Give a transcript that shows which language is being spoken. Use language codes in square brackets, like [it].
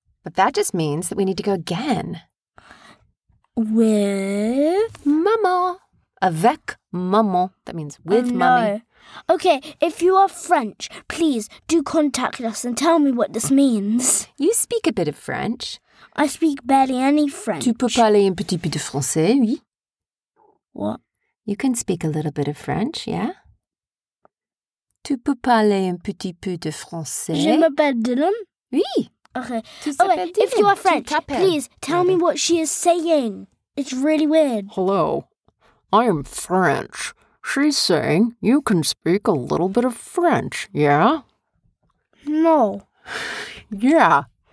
[en] But that just means that we need to go again. With? Mama. [fr] Avec maman. [en] That means with mommy. Okay, if you are French, please do contact us and tell me what this means. You speak a bit of French. I speak barely any French. [fr] Tu peux parler un petit peu de français, oui? [en] What? You can speak a little bit of French, yeah? [fr] Tu peux parler un petit peu de français? Je m'appelle Dillon? Oui. [en] Okay. If you are French, please tell me what she is saying. It's really weird. Hello. I am French. She's saying you can speak a little bit of French, yeah? No. Yeah.